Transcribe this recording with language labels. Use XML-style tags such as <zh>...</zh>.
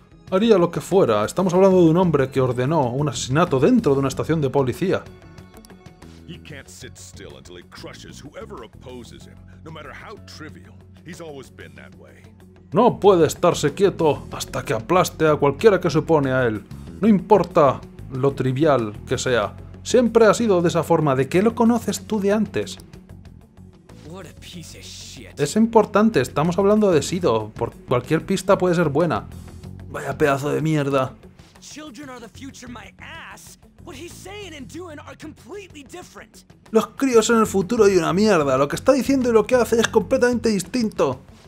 <es>Haría lo que fuera. Estamos hablando de un hombre que ordenó un asesinato dentro de una estación de policía.</es> <en>He can't sit still until he crushes whoever opposes him, no matter how trivial. He's always been that way.</en> <es>No puede estarse quieto hasta que aplaste a cualquiera que se opone a él. No importa lo trivial que sea. Siempre ha sido de esa forma. ¿De qué lo conoces tú de antes?</es> <en>What a piece of shit.</en> <es>Es importante. Estamos hablando de Sido. Por cualquier pista puede ser buena. Vaya pedazo de mierda.</es> <en>Children are the future, my ass. What he's saying and doing are completely different.</en> <es>Los críos son el futuro y una mierda. Lo que está diciendo y lo que hace es completamente distinto.</es>